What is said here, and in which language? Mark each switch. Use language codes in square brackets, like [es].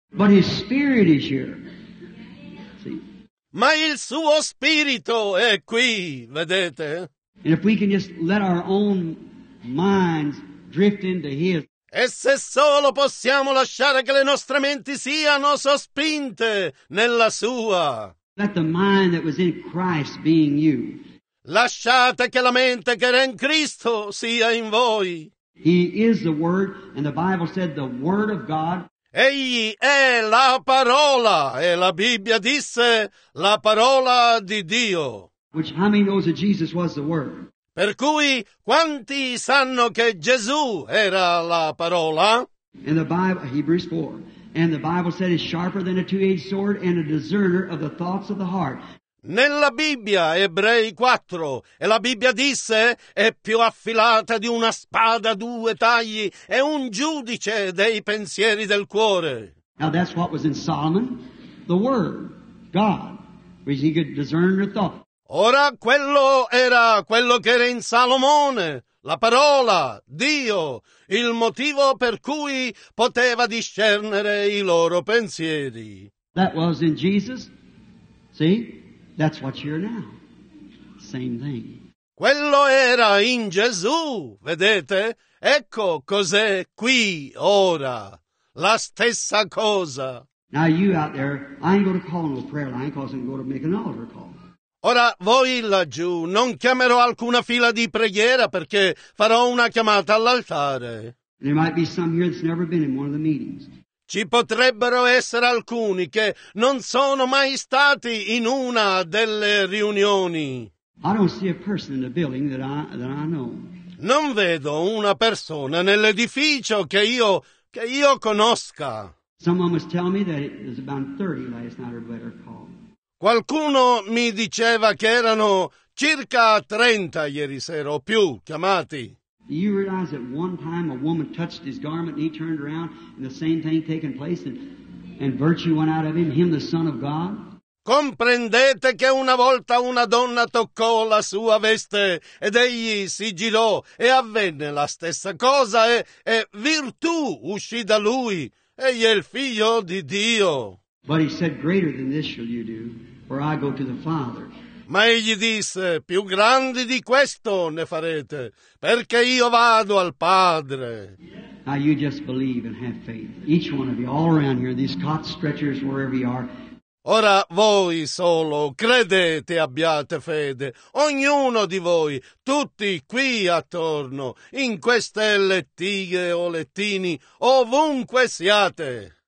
[en] But his spirit is here. See? [it] Ma il suo spirito è qui, vedete? [en] And if we can just let our own minds drift into his. [it] E se solo possiamo lasciare che le nostre menti siano sospinte nella sua. [en] Let the mind that was in Christ be in you. [it] Lasciate che la mente che era in Cristo sia in voi. [en] He is the Word, and the Bible said the Word of God. [it] Egli è la parola, e la Bibbia disse la parola di Dio. [en] Which, how many knows that Jesus was the Word? [it] Per cui, quanti sanno che Gesù era la parola? [en] In the Bible, Hebrews 4. And the Bible said it's sharper than a two-edged sword and a discerner of the thoughts of the heart. [it] Nella Bibbia, Ebrei 4, e la Bibbia disse, è più affilata di una spada a due tagli, è un giudice dei pensieri del cuore. [en] Now that's what was in Solomon, the Word, God, which he could discern your thought. [it] Ora quello che era in Salomone. La parola, Dio, il motivo per cui poteva discernere i loro pensieri. [en] That was in Jesus. See? That's what you're now. Same thing. [it] Quello era in Gesù, vedete? Ecco cos'è qui ora. La stessa cosa. [en] Now you out there, I ain't going to call no prayer line because I'm going to make an altar call. [it] Ora voi laggiù, non chiamerò alcuna fila di preghiera perché farò una chiamata all'altare. [en] There might be some here that's never been in one of the meetings. [it] Ci potrebbero essere alcuni che non sono mai stati in una delle riunioni. [en] I don't see a person in the building that I know. [it] Non vedo una persona nell'edificio che io conosca. [en] Someone was telling me that it was about 30 last night or better call. [it] Qualcuno mi diceva che erano circa 30 ieri sera o più chiamati. [en] You realize that one time a woman touched his garment and he turned around and the same thing taken place and virtue went out of him, the Son of God? [it] Comprendete che una volta una donna toccò la sua veste ed egli si girò e avvenne la stessa cosa e virtù uscì da lui. Egli è il figlio di Dio. [en] But he said, greater than this shall you do, for I go to the Father. [it] Ma egli disse, più grandi di questo ne farete, perché io vado al Padre. [en] Now you just believe and have faith. Each one of you, all around here, these cot stretchers, wherever you are. [it] Ora voi solo credete e abbiate fede. Ognuno di voi, tutti qui attorno, in queste lettighe o lettini, ovunque siate.